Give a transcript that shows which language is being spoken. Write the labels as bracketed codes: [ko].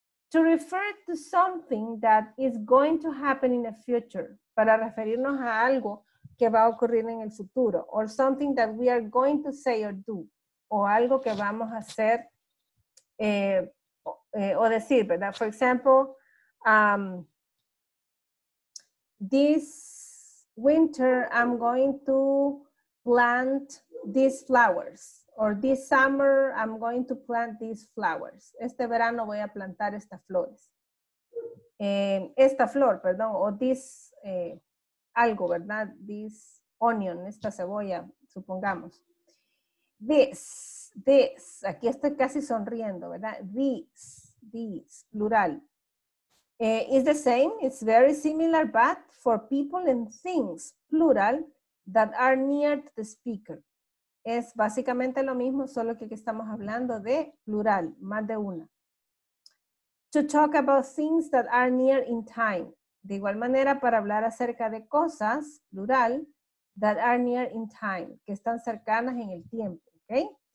[en] To refer to something that is going to happen in the future. [es] Para referirnos a algo que va a ocurrir en el futuro. [en] Or something that we are going to say or do. [es] O algo que vamos a hacer o decir, ¿verdad? [en] For example, this winter I'm going to plant these flowers. Or this summer I'm going to plant these flowers. [es] Este verano voy a plantar estas flores. Esta flor, perdón, o this, algo, ¿verdad? [en] This onion, [es] esta cebolla, supongamos. This, aquí estoy casi sonriendo, ¿verdad? [en] This, plural. It's the same, it's very similar, but for people and things, plural, that are near to the speaker. [es] Es básicamente lo mismo, solo que aquí estamos hablando de plural, más de una. [en] To talk about things that are near in time. [es] De igual manera, para hablar acerca de cosas, [en] plural, that are near in time, [es] que están cercanas en el tiempo, [en] okay?